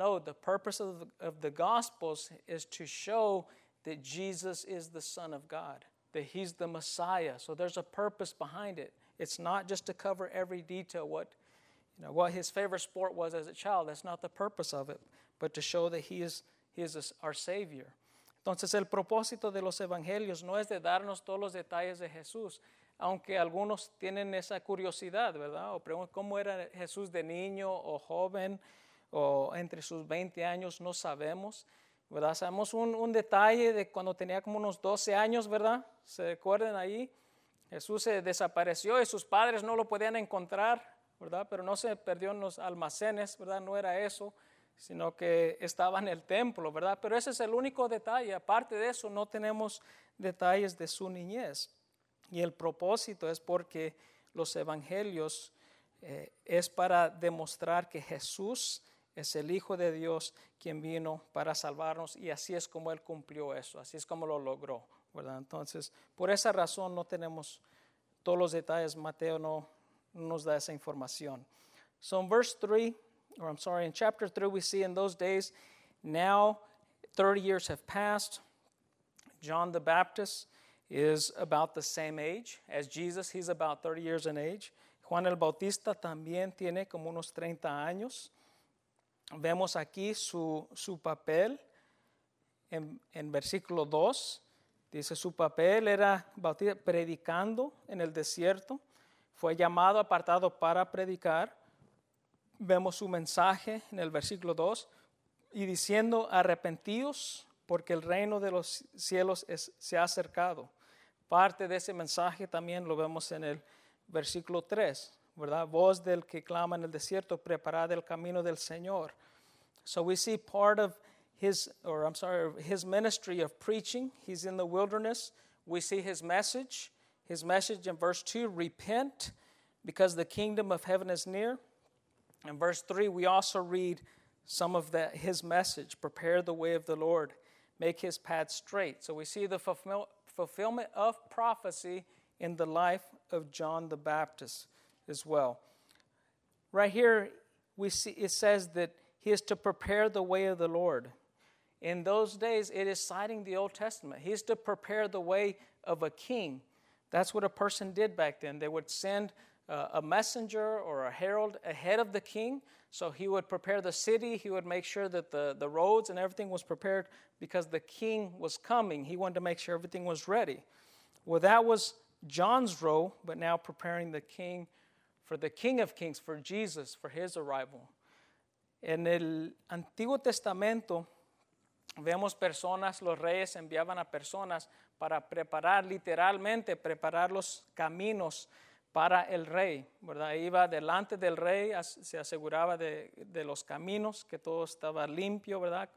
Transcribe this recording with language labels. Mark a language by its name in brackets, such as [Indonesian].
[English] No, the purpose of the Gospels is to show that Jesus is the Son of God, that he's the Messiah. So there's a purpose behind it. It's not just to cover every detail, what his favorite sport was as a child. That's not the purpose of it. but to show that he is our Savior. [Spanish] Entonces, el propósito de los evangelios no es de darnos todos los detalles de Jesús, aunque algunos tienen esa curiosidad, ¿verdad? O preguntan cómo era Jesús de niño o joven o entre sus 20 años, no sabemos, ¿verdad? Sabemos un detalle de cuando tenía como unos 12 años, ¿verdad? ¿Se recuerdan ahí? Jesús se desapareció y sus padres no lo podían encontrar, ¿verdad? Pero no se perdió en los almacenes, ¿verdad? No era eso, sino que estaba en el templo, ¿verdad? Pero ese es el único detalle. Aparte de eso, no tenemos detalles de su niñez. Y el propósito es porque los evangelios es para demostrar que Jesús es el Hijo de Dios quien vino para salvarnos, y así es como Él cumplió eso, así es como lo logró, ¿verdad? Entonces, por esa razón no tenemos todos los detalles. Mateo no nos da esa información. [English] So in verse 3, or I'm sorry, in chapter 3 we see in those days, now 30 years have passed, John the Baptist is about the same age as Jesus. He's about 30 years in age. [Spanish] Juan el Bautista también tiene como unos 30 años. Vemos aquí su papel en versículo 2. Dice, su papel era bautista, predicando en el desierto. Fue llamado, apartado para predicar. Vemos su mensaje en el versículo 2. Y diciendo, arrepentíos, porque el reino de los cielos se ha acercado. Parte de ese mensaje también lo vemos en el versículo 3, ¿verdad? Voz del que clama en el desierto, preparad el camino del Señor. [English] So we see part of his ministry of preaching. He's in the wilderness. We see his message. His message in verse 2, repent, because the kingdom of heaven is near. In verse 3, we also read some of his message, prepare the way of the Lord, make his path straight. So we see the fulfillment of prophecy in the life of John the Baptist as well. Right here, we see it says that he is to prepare the way of the Lord. In those days, it is citing the Old Testament. He is to prepare the way of a king. That's what a person did back then. They would send a messenger or a herald ahead of the king. So he would prepare the city. He would make sure that the roads and everything was prepared because the king was coming. He wanted to make sure everything was ready. Well, that was John's role, but now preparing the king for the King of Kings, for Jesus, for his arrival. [Spanish] En el Antiguo Testamento, vemos personas, los reyes enviaban a personas para preparar, literalmente, preparar los caminos para el rey, ¿verdad? Iba delante del rey, se aseguraba de los caminos, que todo estaba limpio, ¿verdad?